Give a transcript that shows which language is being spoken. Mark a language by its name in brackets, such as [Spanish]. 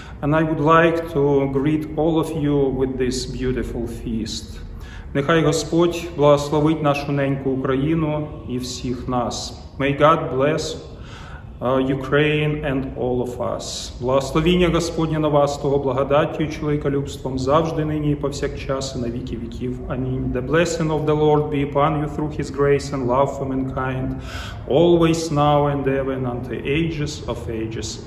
[English] And I would like to greet all of you with this beautiful feast. [Ukrainian] Нехай Господь благословить нашу неньку Україну і всіх нас. [English] May God bless Ukraine and all of us. [Ukrainian] Благословіння Господнє на вас, того благодаттю і чоловіколюбством, завжди, нині і повсякчас, і на віки віків. Амінь. [English] The blessing of the Lord be upon you through His grace and love for mankind, always, now and ever, and unto ages of ages.